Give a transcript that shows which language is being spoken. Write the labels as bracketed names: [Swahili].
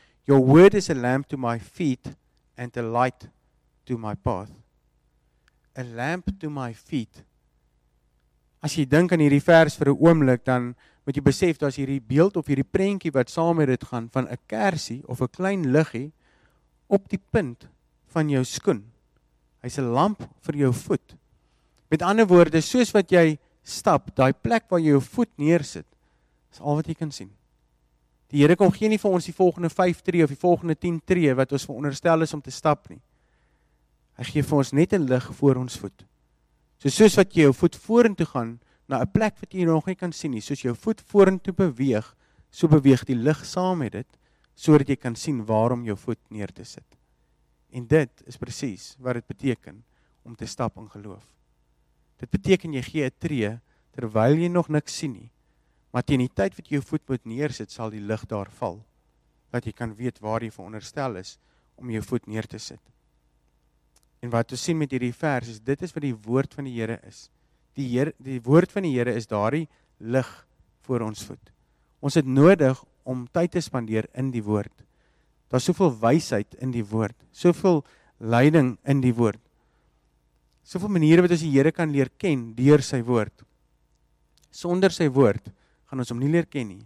[English] Your word is a lamp to my feet and a light to my path. A lamp to my feet. [Afrikaans] As jy dink aan hierdie vers vir 'n oomblik, dan moet jy besef dat as hierdie beeld of hierdie prentjie wat saam met dit gaan van 'n kersie of 'n klein liggie op die punt van jou skoen. Hy's 'n lamp vir jou voet. Met ander woorde, soos wat jy stap, daai plek waar jy jou voet neersit, is al wat jy kan sien. Die Here kom gee nie vir ons die volgende 5 tree of die volgende 10 tree wat ons veronderstel is om te stap nie. Hy gee vir ons net 'n lig voor ons voet. Soos wat jy jou voet vorentoe gaan na 'n plek wat jy nog nie kan sien nie. Soos jou voet vorentoe beweeg, so beweeg die lig saam met dit, sodat jy kan sien waarom jou voet neer te sit. En dit is presies wat dit beteken om te stap in geloof. Dit beteken jy gee 'n tree terwyl jy nog niks sien nie. Maar teen die tyd wat jy jou voet moet neersit, sal die lig daar val, dat jy kan weet waar jy veronderstel is om jou voet neer te sit. En wat ons sien met hierdie vers is dit is wat die woord van die Here is. Die woord van die Here is daardie lig voor ons voet. Ons het nodig om tyd te spandeer in die woord. Daar's soveel wysheid in die woord, soveel leiding in die woord. Soveel maniere wat ons die Here kan leer ken deur sy woord. Sonder sy woord gaan ons hom nie leer ken nie.